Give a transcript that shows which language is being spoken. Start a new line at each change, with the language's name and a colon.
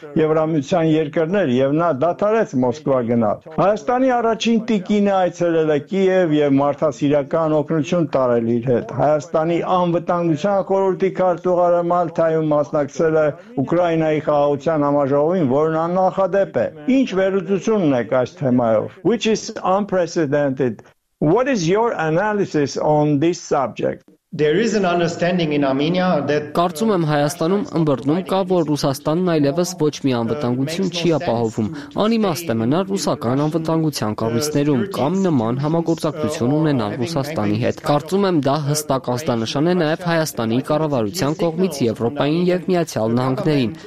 Armenian: Եվրամիության երկրներ և նա դադարեց Մոսկվա գնալ։ Հայաստանի առաջին տիկինը այցելել է Կիև և մարդասիրական օգնություն տարել իր հետ։ Հայաստանի անվտանգության խորհրդի քարտուղարը Մալթայում մասնակցել է Ուկրաինայի խաղաղության համաժողովին, որն աննախադեպ է։ Ինչ վերլուծություն ունեք այս թեմայով?
English: Which is unprecedented. What is your analysis on this subject? There is an understanding in Armenia that
Armenian: կարծում եմ, Հայաստանում ըմբռնում կա, որ Ռուսաստանն այլևս ոչ մի անվտանգություն չի ապահովում։ Անիմաստ է մնալ ռուսական անվտանգության կառույցներում կամ նման համագործակցություն ունենալ Ռուսաստանի հետ։ Կարծում եմ, դա հստակ ազդանշան է նաև Հայաստանի կառավարության կողմից Եվրոպային և Միացյալ Նահանգներին,